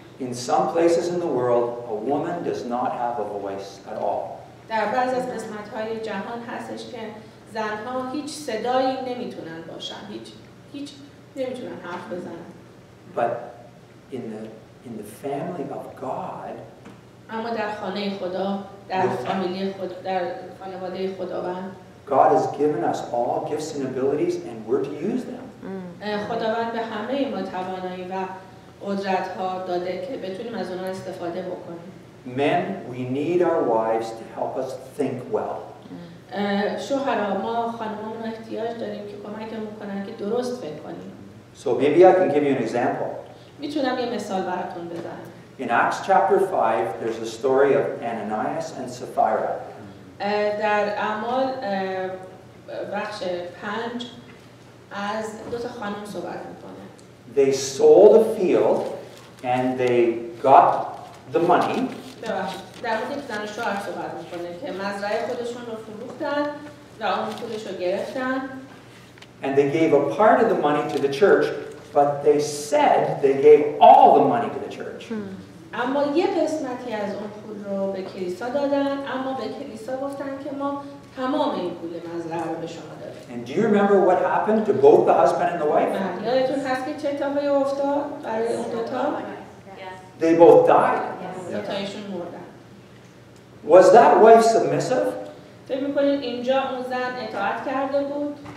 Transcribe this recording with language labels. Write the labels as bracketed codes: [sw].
[en] In some places in the world, a woman does not have a voice at all. [fa] در بعضی از قسمت‌های جهان هستش که زن‌ها هیچ صدایی نمی‌تونن باشن، هیچ نمی‌تونن حرف بزنن. [en] But in the family of God, [fa] اما در خانه خدا، در فامیلی خدا، در خانواده خداوند، [en] God has given us all gifts and abilities and we're to use them. [fa] خداوند به همه ما توانایی و قدرت ها داده که بتونیم از اونها استفاده بکنیم. [en] Men, we need our wives to help us think well. [fa] شوهرها ما خانمان احتیاج داریم که کمکمون کنن که درست فکر کنیم. [en] So maybe I can give you an example. [fa] میتونم یه مثال براتون بزنم. [en] In Acts chapter 5, there's a story of Ananias and Sapphira. [fa] در اعمال بخش 5 از دو تا خانم صحبت میکنه. [en] They sold a field and they got the money. [fa] در مورد زن و شوهر صحبت میکنه که مزرعه خودشون رو فروختن و اون پولش رو گرفتن. [en] And they gave a part of the money to the church, but they said they gave all the money to the church. [fa] اما یه قسمتی از اون پول رو به کلیسا دادن، اما به کلیسا گفتن که ما تمام این پول مزرعه رو به شما دادیم. [en] And do you remember what happened to both the husband and the wife? [fa] یادتون هست که چه اتفاقی افتاد برای اون دو تا؟ [en] They both died. [fa] دوتایشون مردن. [en] Was that wife submissive? [fa] فکر می‌کنید اینجا اون زن اطاعت کرده بود؟